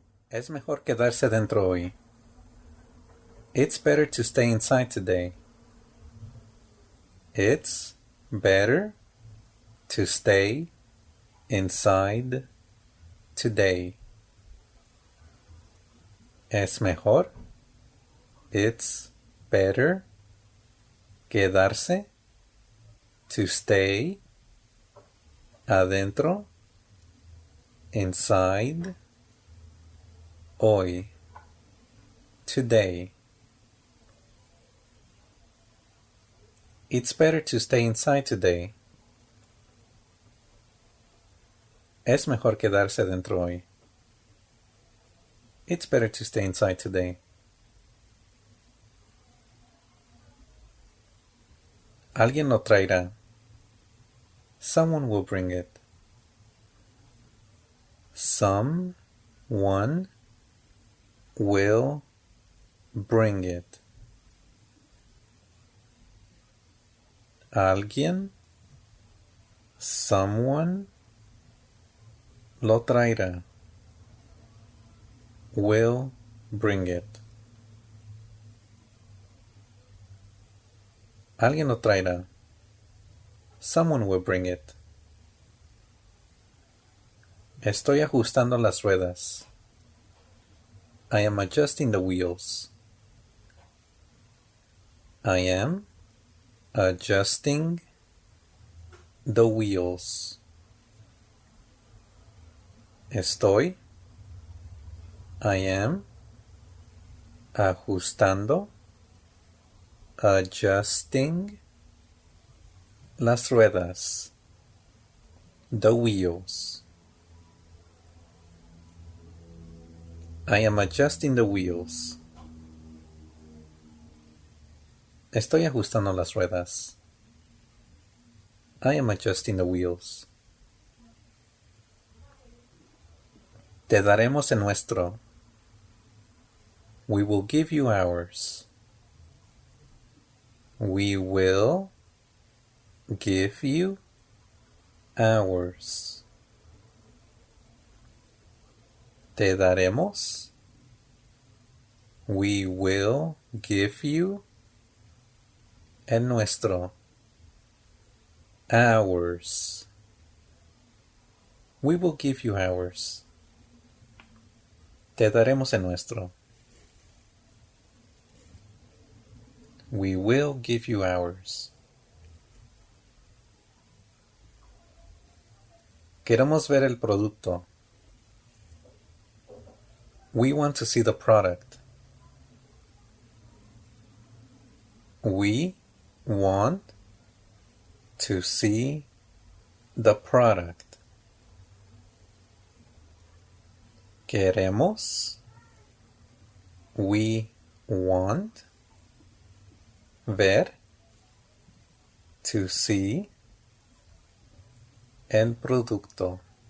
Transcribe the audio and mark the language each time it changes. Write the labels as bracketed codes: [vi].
[es] Es mejor quedarse dentro hoy. [en] It's better to stay inside today. It's better to stay inside today. [es] Es mejor. [en] It's better. [es] Quedarse. [en] To stay. [es] Adentro. [en] Inside. [es] Hoy. [en] Today. It's better to stay inside today. [es] Es mejor quedarse dentro hoy. [en] It's better to stay inside today. [es] Alguien lo traerá. [en] Someone will bring it. Someone will bring it. [es] Alguien, [en] someone, [es] lo traerá, [en] will bring it. [es] Alguien lo traerá, [en] someone will bring it. [es] Estoy ajustando las ruedas. [en] I am adjusting the wheels. I am adjusting the wheels. [es] Estoy. [en] I am [es] ajustando. [en] Adjusting [es] las ruedas. [en] The wheels. I am adjusting the wheels. [es] Estoy ajustando las ruedas. [en] I am adjusting the wheels. [es] Te daremos el nuestro. [en] We will give you ours. We will give you ours. [es] Te daremos. [en] We will give you [es] el nuestro. [en] Ours. We will give you ours. [es] Te daremos el nuestro. [en] We will give you ours. [es] Queremos ver el producto. [en] We want to see the product. We want to see the product. [es] Queremos. [en] We want [es] ver [en] to see [es] el producto.